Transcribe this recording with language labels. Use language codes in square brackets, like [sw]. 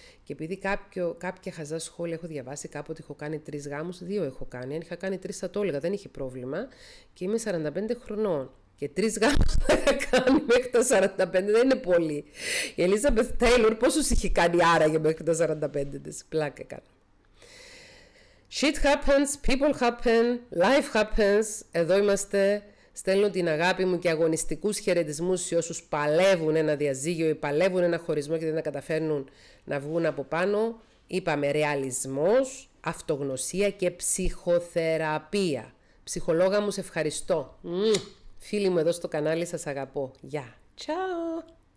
[el] Και επειδή κάποια χαζά σχόλια έχω διαβάσει, κάποτε έχω κάνει 3 γάμους, 2 έχω κάνει. Αν είχα κάνει 3 θα το έλεγα, δεν είχε πρόβλημα. Και είμαι 45 χρονών. Και 3 γάμους θα κάνει μέχρι τα 45, δεν είναι πολύ. Η Elizabeth Taylor πόσους είχε κάνει άραγε μέχρι τα 45 της. Πλάκα κάνω. [en] Shit happens, people happen, life happens. [el] Εδώ είμαστε. Στέλνω την αγάπη μου και αγωνιστικούς χαιρετισμούς σε όσους παλεύουν ένα διαζύγιο ή παλεύουν ένα χωρισμό και δεν τα καταφέρνουν να βγουν από πάνω. Είπαμε ρεαλισμός, αυτογνωσία και ψυχοθεραπεία. Ψυχολόγα μου, σε ευχαριστώ. Φίλοι μου εδώ στο κανάλι, σας αγαπώ. Γεια. Τσάω.